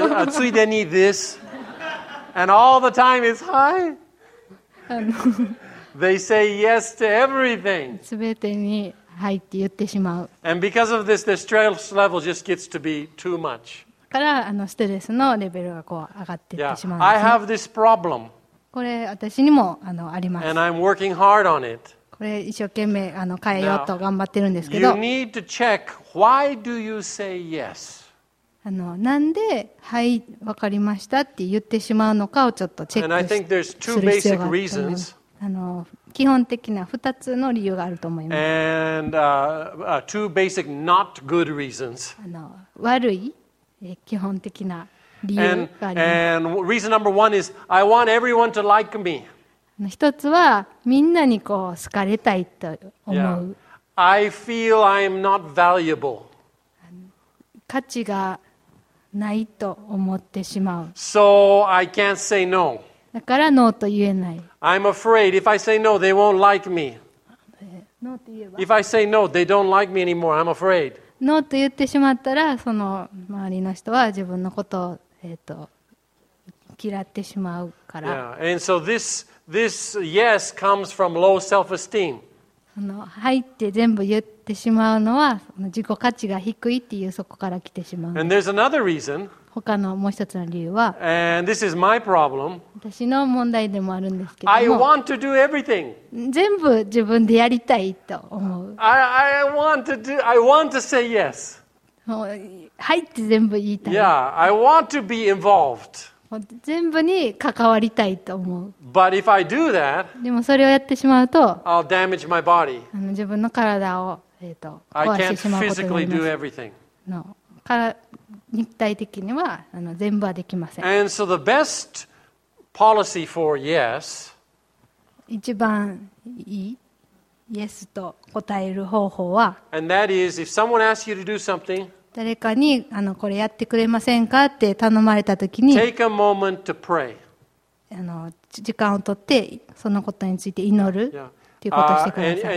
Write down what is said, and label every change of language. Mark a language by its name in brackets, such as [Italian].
[Japanese] ついでに [English] this and all the time is hi they say yes to everything [Japanese] すべてにはいって言ってしまう [English] and because of this the stress level just gets to be too much [Japanese] からストレスのレベルがこう上がっていってしまう、 [English] ね、yeah, I have this problem [Japanese] これ私にもあります [English] and I'm working hard on it [Japanese] これ一生懸命変えようと頑張ってるんですけど [English] Now, you need to check why do you say yes [Japanese] なんで、はい、わかりましたって言ってしまうのかをちょっとチェックする必要があると思います。基本的な2つの理由があると思います。 [English] And, two basic not good reasons. [Japanese] 悪い、基本的な理由があります。 [English] And reason number one is, I want everyone to like me. [Japanese] 一つは、みんなにこう好かれたいと思う。 [English] Yeah. I feel I'm not valuable. [Japanese] 価値がないと思ってしまう。 [English] So I can't say no. [Japanese] だからノーと言えない。 [English] I'm afraid if I say no, they won't like me. [Japanese] ノーと言えば。 [English] If I say no, they don't like me anymore. I'm afraid. [Japanese] ノーと言ってしまったら、その周りの人は自分のことを嫌ってしまうから。 [English] Yeah. And so this yes comes from low self-esteem. [Japanese] 入って全部言ってしまうのは自己価値が低いっていうそこから来てしまう。 [English] And there's another reason. [Japanese] 他のもう一つの理由は。 [English] And this is my problem. [Japanese] 私の問題でもあるんですけども。 [English] I want to do everything. [Japanese] 全部自分でやりたいと思う。 [English] I want to say yes. [Japanese] 入って全部言いたい。 [English] Yeah, I want to be involved. [Japanese] 全部に関わりたいと思う。 [English] But if I do that, [Japanese] でもそれをやってしまうと、 [English] I'll damage my body. [Japanese] 自分の体を壊してしまうことになります。 [English] I can't physically do everything. [Japanese] 肉体的には全部はできません。 [English] And so the best policy for yes, [Japanese] 一番いい yes と答える方法は、 [English] And that is if someone asks you to do something. [Japanese] 誰かにこれやってくれませんかって頼まれたときに、 [English] Take a moment to pray. [Japanese] 時間を取ってそのことについて祈るっていうことをしてください。